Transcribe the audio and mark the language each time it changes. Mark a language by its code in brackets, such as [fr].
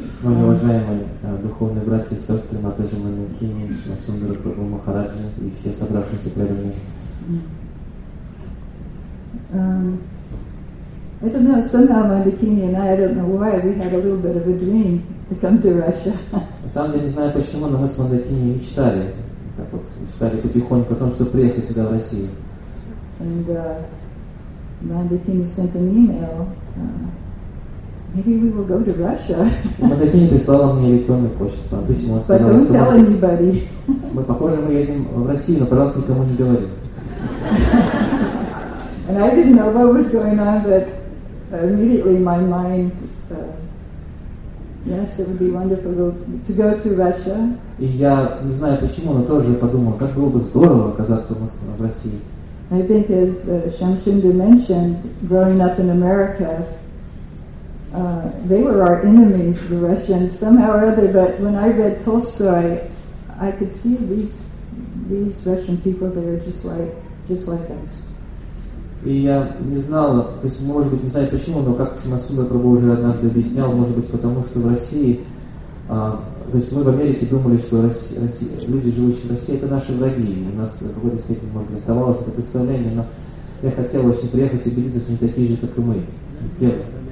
[ru] Мои уважаемые духовные братья и сестры, Матаджи Манакини, Шмасундра Прабху Махараджи и все собравшиеся преданные. [en] I don't know, somehow Mandakini and I don't know why, we had a little bit of a dream to come to Russia. [ru] На самом деле, не знаю почему, но мы с Мандакини мечтали, так вот, мечтали потихоньку о том, чтобы приехать сюда, в Россию. [en] And Mandakini sent an email, maybe we will go to Russia. [ru] Мандакини прислала мне электронную почту, там письмо, сказала, что... [en] But don't tell anybody. [ru] Мы, похоже, мы едем в Россию, но, пожалуйста, никому не говори. [en] And I didn't know what was going on, but immediately my mind, yes, it would be wonderful to go to Russia. [ru] И я не знаю почему, но тоже подумал, как было бы здорово оказаться в Москве, в России. [en] I think, as Shamshinder mentioned, growing up in America, they were our enemies, the Russians, somehow or other. But when I read Tolstoy, I could see these Russian people; they were just like us. [ru] И я не знал, то есть, может быть, не знаю почему, но как Шимасунда Прабу уже однажды объяснял, может быть, потому что в России, то есть мы в Америке думали, что люди, живущие в России, это наши враги, и у нас в какой-то степени, может быть, оставалось это представление, но я хотел очень приехать и убедиться, что они такие же, как и мы, сделали.